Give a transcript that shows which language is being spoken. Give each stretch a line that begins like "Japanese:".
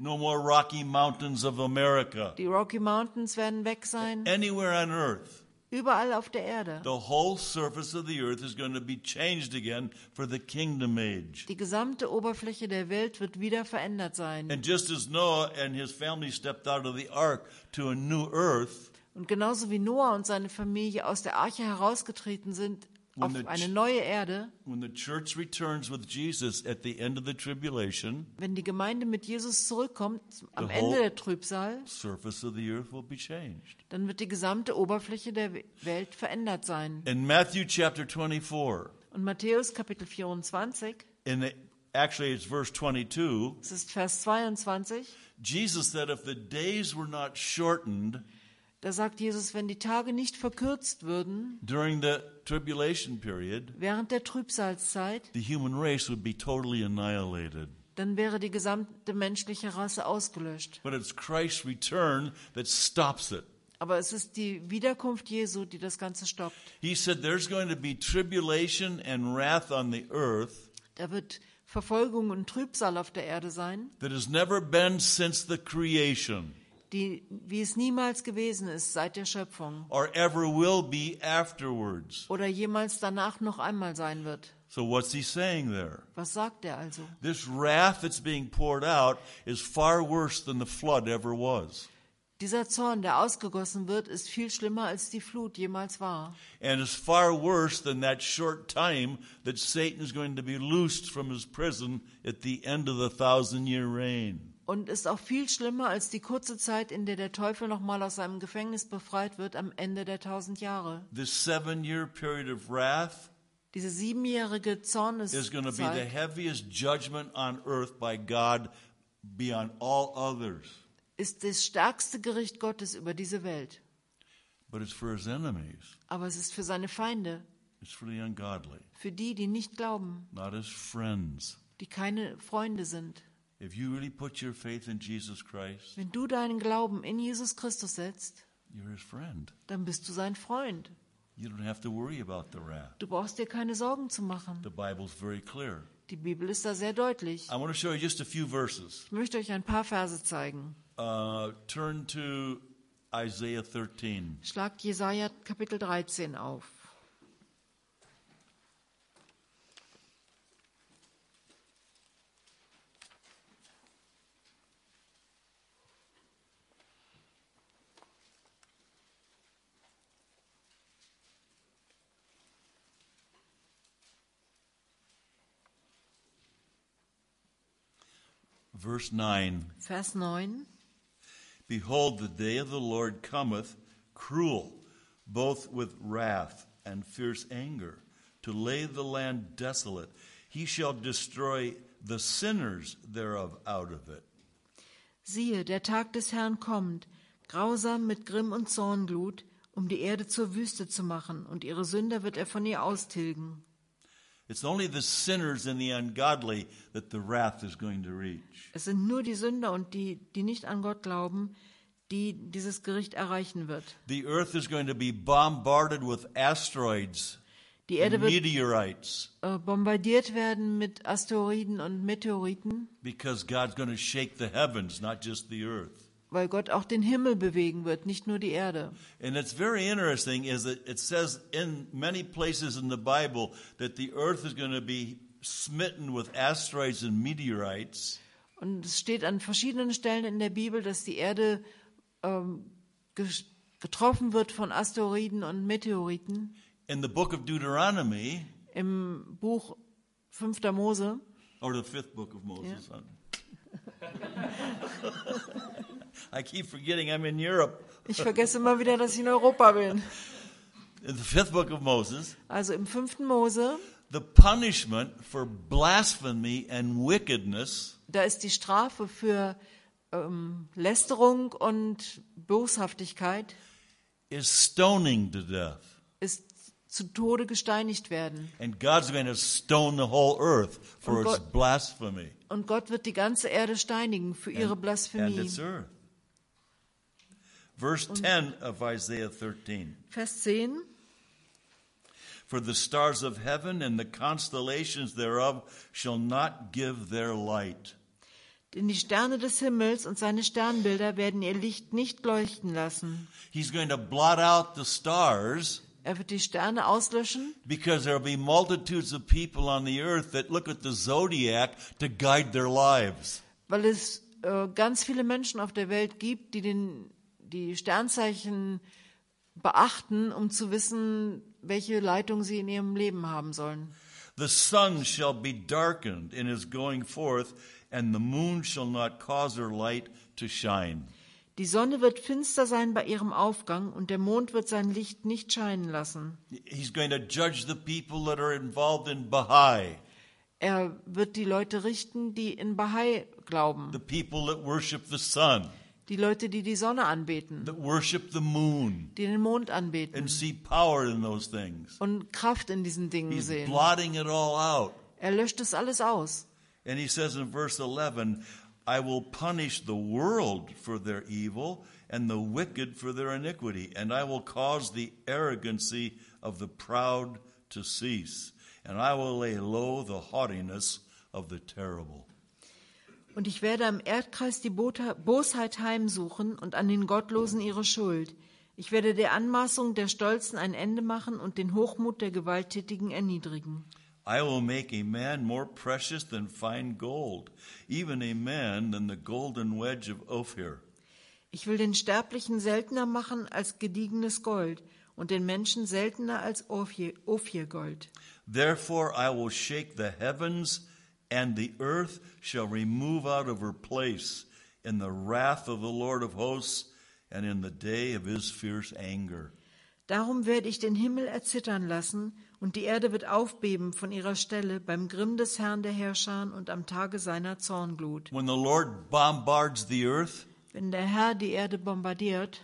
English: No more Rocky Mountains of America.
German: Die Rocky Mountains werden weg sein.
English: Anywhere on earth.
German: Überall auf der Erde.
English: The whole surface of the earth is going to be changed again for the kingdom age.
German: Die gesamte Oberfläche der Welt wird wieder verändert sein.
English: And just as Noah and his family stepped out of the ark to a new earth.
German: Und genauso wie Noah und seine Familie aus der Arche herausgetreten sind auf eine neue Erde,
English: when the church returns with Jesus at the end of the tribulation,
German: wenn die Gemeinde mit Jesus zurückkommt am Ende der Trübsal,
English: surface of the earth will be changed.
German: Dann wird die gesamte Oberfläche der Welt verändert sein.
English: In Matthew chapter 24,
German: und Matthäus Kapitel 24,
English: actually it's verse 22,
German: es ist Vers 22,
English: Jesus said, if the days were not shortened,
German: da sagt Jesus, wenn die Tage nicht verkürzt würden,
English: during the tribulation period,
German: während der Trübsalzeit,
English: the human race would be totally annihilated.
German: Dann wäre die gesamte menschliche Rasse ausgelöscht.
English: But it's Christ's return that stops it.
German: Aber es ist die Wiederkunft Jesu, die das Ganze stoppt.
English: He said, there's going to be tribulation and wrath on the earth.
German: Da wird Verfolgung und Trübsal auf der Erde sein.
English: That has never been since the creation.
German: Die, wie es niemals gewesen ist seit der Schöpfung
English: or ever will be afterwards.
German: Oder jemals danach noch einmal sein wird.
English: So what's he saying there?
German: Was sagt er also?
English: This wrath that's being poured out is far worse than the flood ever was.
German: Dieser Zorn, der ausgegossen wird, ist viel schlimmer als die Flut jemals war.
English: And is far worse than that short time that Satan is going to be loosed from his prison at the end of the 1,000-year reign.
German: Und ist auch viel schlimmer als die kurze Zeit, in der der Teufel nochmal aus seinem Gefängnis befreit wird am Ende der 1,000 Jahre.
English: This 7-year period of wrath,
German: diese 7-jährige Zorneszeit,
English: is going to be the heaviest judgment on earth by God beyond all others.
German: Ist das stärkste Gericht Gottes über diese Welt.
English: But it's for his enemies.
German: Aber es ist für seine Feinde.
English: It's for the ungodly.
German: Für die, die nicht glauben.
English: Not his friends.
German: Die keine Freunde sind.
English: If you really put your faith in Jesus Christ,
German: wenn du deinen Glauben in Jesus Christus setzt,
English: you're his friend.
German: Dann bist du sein Freund.
English: You don't have to worry about the wrath.
German: Du brauchst dir keine Sorgen zu machen.
English: The Bible's very clear.
German: Die Bibel ist da sehr deutlich.
English: I want to show you just a few verses.
German: Ich möchte euch ein paar Verse zeigen.
English: Turn to Isaiah 13.
German: Schlagt Jesaja Kapitel 13 auf.
English: Verse 9.
German: Vers 9.
English: Behold, the day of the Lord cometh cruel, both with wrath and fierce anger, to lay the land desolate. He shall destroy the sinners thereof out of it.
German: Siehe, der Tag des Herrn kommt, grausam mit Grimm und Zornglut, um die Erde zur Wüste zu machen, und ihre Sünder wird er von ihr austilgen.
English: It's only the sinners and the ungodly that the wrath is going to reach.
German: Es sind nur die Sünder und die nicht an Gott glauben, die dieses Gericht erreichen wird.
English: The earth is going to be bombarded with asteroids.
German: Die Erde
English: and meteorites.
German: Wird bombardiert werden mit Asteroiden und Meteoriten.
English: Because God's going to shake the heavens, not just the earth.
German: Weil Gott auch den Himmel bewegen wird, nicht nur die Erde.
English: And it's very interesting is that it says in many places in the Bible that the earth is going to be smitten with asteroids and meteorites.
German: Und es steht an verschiedenen Stellen in der Bibel, dass die Erde getroffen wird von Asteroiden und Meteoriten.
English: In the book of Deuteronomy,
German: im Buch 5. Mose,
English: or the fifth book of Moses. Yeah. I keep forgetting I'm in Europe.
German: Ich vergesse immer wieder, dass ich in Europa bin.
English: In the fifth book of Moses.
German: Also im 5. Mose.
English: The punishment for blasphemy and wickedness.
German: Da ist die Strafe für Lästerung und Boshaftigkeit.
English: Is stoning to death.
German: Ist zu Tode gesteinigt werden.
English: And God's going to stone the whole earth for its blasphemy.
German: Und Gott wird die ganze Erde steinigen für ihre Blasphemie.
English: And its earth. Verse 10 of Isaiah 13.
German: Vers 10.
English: For the stars of heaven and the constellations thereof shall not give their light.
German: Denn die Sterne des Himmels und seine Sternbilder werden ihr Licht nicht leuchten lassen.
English: He's going to blot out the stars.
German: Er wird die Sterne auslöschen.
English: Because there will be multitudes of people on the earth that look at the zodiac to guide their lives.
German: Weil es ganz viele Menschen auf der Welt gibt, die Sternzeichen beachten, um zu wissen, welche Leitung sie in ihrem Leben haben sollen.
English: The sun shall be darkened in his going forth, and the moon shall not cause her light to shine.
German: Die Sonne wird finster sein bei ihrem Aufgang, und der Mond wird sein Licht nicht scheinen lassen.
English: He's going to judge the people that are involved in Baha'i.
German: Er wird die Leute richten, die in Baha'i glauben.
English: The people that worship the sun.
German: Die Leute, die die Sonne anbeten.
English: That worship the moon.
German: Die den Mond anbeten.
English: And see power in those things.
German: Und Kraft in diesen Dingen
English: He's
German: sehen.
English: Blotting it all out.
German: Er löscht es alles aus.
English: And he says in verse 11, I will punish the world for their evil and the wicked for their iniquity. And I will cause the arrogancy of the proud to cease. And I will lay low the haughtiness of the terrible.
German: Und ich werde am Erdkreis die Bosheit heimsuchen und an den Gottlosen ihre Schuld. Ich werde der Anmaßung der Stolzen ein Ende machen und den Hochmut der Gewalttätigen erniedrigen.
English: I will make a man more precious than fine gold, even a man than the golden wedge of Ophir.
German: Ich will den Sterblichen seltener machen als gediegenes Gold und den Menschen seltener als Ophir-Gold.
English: Therefore I will shake the heavens and the earth shall remove out of her place in the wrath of the Lord of hosts and in the day of his fierce anger.
German: Darum werde ich den Himmel erzittern lassen und die Erde wird aufbeben von ihrer Stelle beim Grimm des Herrn der Herrscher und am Tage seiner Zornglut.
English: When the Lord bombards the earth,
German: wenn der Herr die Erde bombardiert,